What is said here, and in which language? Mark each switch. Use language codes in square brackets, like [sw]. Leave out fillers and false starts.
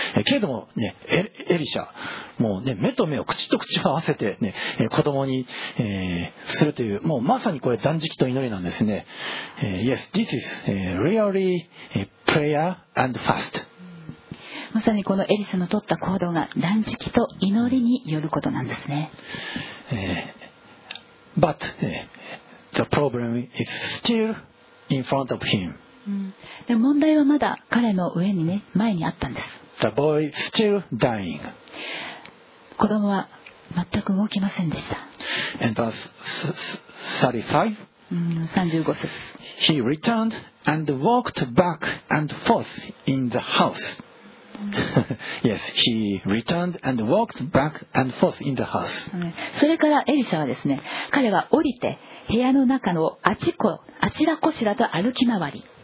[ja] けれども、ね、エリシャもう、ね、目と目を口と口を合わせて、ね、子供に、するという、もうまさにこれ断食と祈りなんですね。 [en] Yes, this is reallyPrayer and fast. [ja] まさにこのエリシャの取った行動が断食と祈りによることなんですね。 [en] But the problem is still in front of him. [ja] で問題はまだ彼の上にね、前にあったんです。 [en] The boy is still dying. [ja] 子供は全く動きませんでした。 [en] And verse 35. [ja] 35節。 [en] He returned and walked back and forth in the house. Yes, he returned and walked back and forth in the house. [ja] それからエリシャはですね、彼は降りて部屋の中のあちらこちらと歩き回り。